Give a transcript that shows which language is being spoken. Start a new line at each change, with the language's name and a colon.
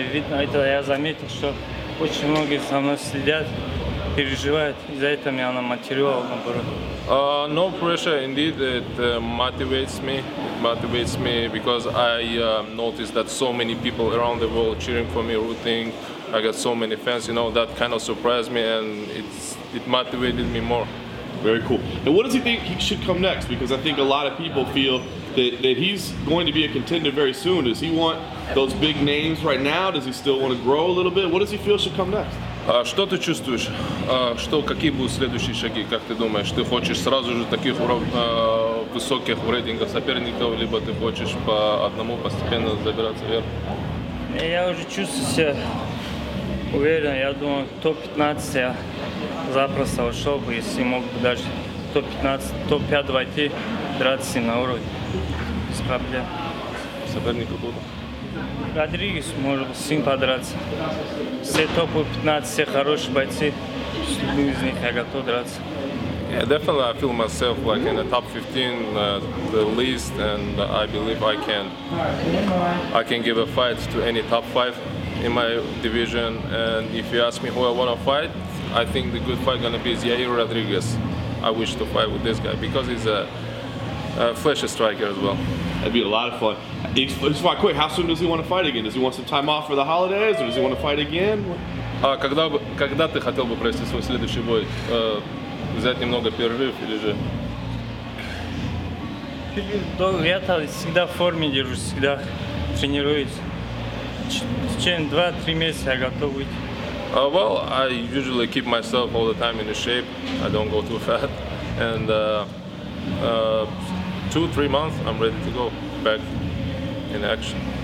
Russian: Видно, это я заметил, что очень многие со мной следят, переживают. Из-за этого меня она мотивировала, наоборот.
English: No pressure, indeed. It motivates me. It motivates me because I noticed that so many people around the world cheering for me, rooting. I got so many fans, you know, that kind of surprised me, and it motivated me more. Very cool. And what does he think he should come next? Because I think a lot of people feel that he's going to be a contender very soon. Does he want those big names right now? Does he still want to grow a little bit? What does he feel should come next?
Russian: Что ты чувствуешь? Какие будут следующие шаги? Как ты думаешь, ты хочешь сразу же таких высоких в рейтингах соперников, либо ты хочешь по одному постепенно забираться вверх? Я уже чувствую себя уверенно. Я думаю, топ-15 я запросто ушел бы, если мог бы даже топ-15, топ-5 войти, драться на уровне. Без проблем. Соперника будут? Родригес, может быть, с ним подраться. Все топы 15, все хорошие бойцы. С любым из них я готов драться.
English: Yeah, definitely I feel myself like in the top 15, the least, and I believe I can give a fight to any top 5 in my division. And if you ask me who I want to fight, I think the good fight going to be Yair Rodriguez. I wish to fight with this guy because he's a flashy striker as well. That'd be a lot of fun. Just fight quick. How soon does he want to fight again? Does he want some time off for the holidays, or does he want to fight again?
Russian: Когда ты хотел бы провести свой следующий бой? Взять немного перерыв или же? Я всегда в форме держусь, всегда тренируюсь. В течение 2-3 месяца я готов выйти.
English: Well, I usually keep myself all the time in the shape. I don't go too fat. And 2-3 months, I'm ready to go back in action.